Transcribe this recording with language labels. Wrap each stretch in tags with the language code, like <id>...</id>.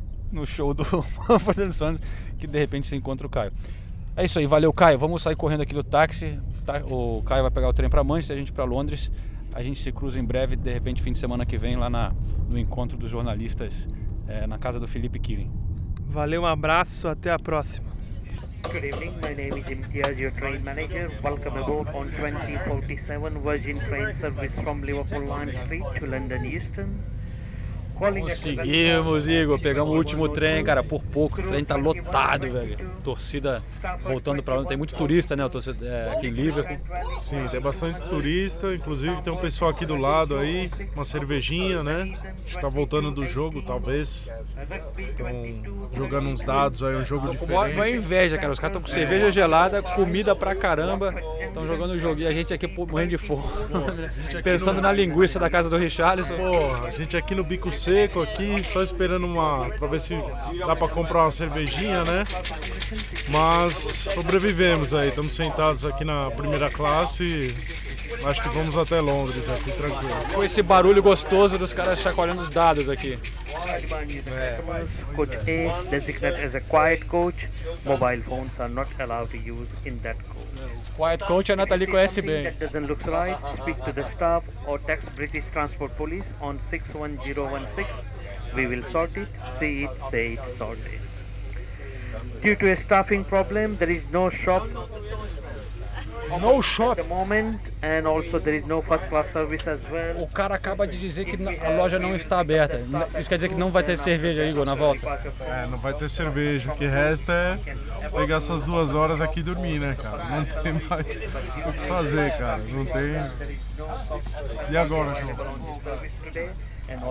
<pt>no show do Mumford & Sons, que de repente se encontra o Caio. É isso aí, valeu Caio, vamos sair correndo aqui do táxi, tá? O Caio vai pegar o trem para Manchester, a gente para Londres, a gente se cruza em breve, de repente fim de semana que vem lá no encontro dos jornalistas, na casa do Felipe Kirin. Valeu, um abraço, até a próxima.</pt> <en>Good evening, my name is Imtiaz, your train manager. Welcome aboard on 2047 Virgin Train Service from Liverpool Lime Street to London Euston.</en> <pt>Conseguimos, Igor. Pegamos o último trem, cara. Por pouco. O trem tá lotado, velho. Torcida voltando pra Londres. Tem muito turista, né? Aqui em Liverpool. Sim, tem bastante turista. Inclusive tem um pessoal aqui do lado aí. Uma cervejinha, né? A gente tá voltando do jogo, talvez. Estão jogando uns dados aí. Um jogo diferente. Uma inveja, cara. Os caras estão com cerveja gelada, comida pra caramba. Estão jogando o jogo. E a gente aqui morrendo de fome. Pensando na linguiça da casa do Richarlison. Porra, a gente aqui no Bico Seco aqui, só esperando uma, pra ver se dá pra comprar uma cervejinha, né? Mas sobrevivemos aí, estamos sentados aqui na primeira classe, acho que vamos até Londres aqui, tranquilo. Com esse barulho gostoso dos caras chacoalhando os dados aqui.</pt> <en>Coach A, designated as a quiet coach, mobile phones are not allowed to use in that coach.</en> <pt>Quiet coach a Nathalie conhece bem.</pt> <en>If something that doesn't look right, speak to the staff or text British Transport Police on 61016. We will sort it, see it, say it, sort it. Due to a staffing problem, there is no shop. No shop. And also there is no first class service as well.</en> <pt>O cara acaba de dizer que a loja não está aberta. Isso quer dizer que não vai ter cerveja, Igor, na volta? É, não vai ter cerveja. O que resta é pegar essas duas horas aqui e dormir, né, cara? Não tem mais o que fazer, cara. Não tem. E agora, João?</pt>